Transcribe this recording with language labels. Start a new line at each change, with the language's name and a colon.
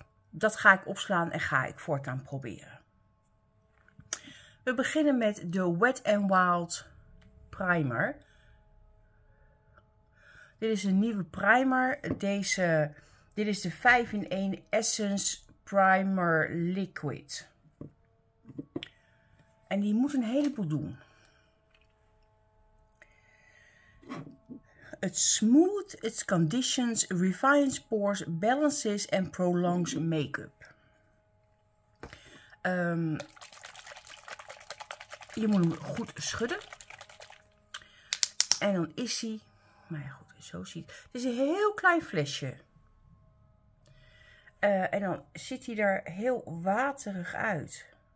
Dutch: Dat ga ik opslaan en ga ik voortaan proberen. We beginnen met de Wet n Wild primer. Dit is een nieuwe primer. Dit is de 5-in-1 Essence Primer Liquid. En die moet een heleboel doen.
English: It smooth, it conditions, refines pores, balances and prolongs make-up.
Dutch: Je moet hem goed schudden. En dan is hij, maar ja goed, zo ziet het. Het is een heel klein flesje. En dan ziet hij er heel waterig uit.